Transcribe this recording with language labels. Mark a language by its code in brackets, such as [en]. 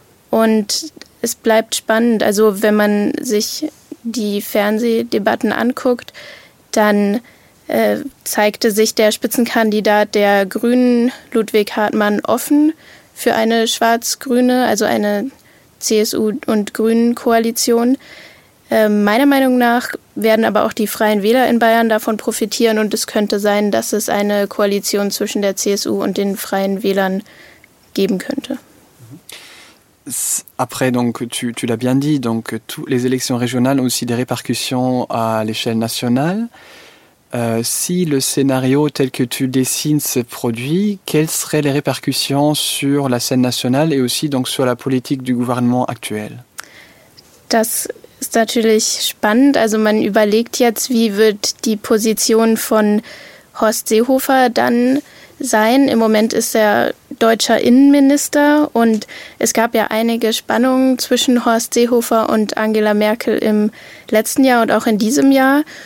[de] Und es bleibt spannend. Also wenn man sich die Fernsehdebatten anguckt, dann zeigte sich der Spitzenkandidat der Grünen, Ludwig Hartmann, offen für eine schwarz-grüne, also eine CSU- und Grünen-Koalition. Meiner Meinung nach werden aber auch die Freien Wähler in Bayern davon profitieren und es könnte sein, dass es eine Koalition zwischen der CSU und den Freien Wählern geben könnte. [fr] Après, donc, tu l'as bien dit, donc, toutes les élections régionales ont aussi des répercussions à l'échelle nationale. Si le scénario tel que tu dessines se produit, quelles seraient les répercussions sur la scène nationale et aussi donc sur la politique du gouvernement actuel? [de] Das ist natürlich spannend. Also man überlegt jetzt, wie wird die Position von Horst Seehofer dann sein. Im Moment ist er deutscher Innenminister und es gab ja einige Spannungen zwischen Horst Seehofer und Angela Merkel im letzten Jahr und auch in diesem Jahr.